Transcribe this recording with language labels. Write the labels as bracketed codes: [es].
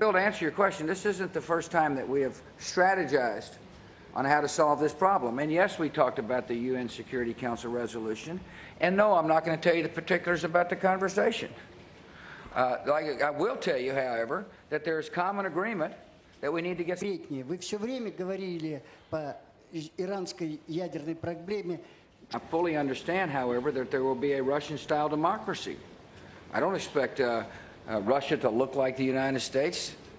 [en] Bill, to answer your question, this isn't the first time that we have strategized on how to solve this problem. And yes, we talked about the UN Security Council resolution. And no, I'm not going to tell you the particulars about the conversation. Like I will tell you, however, that there is common agreement that we need to get... [ru] Вы все время говорили по иранской ядерной проблеме. [en] I fully understand, however, that there will be a Russian-style democracy. I don't expect Russia to look like the United States.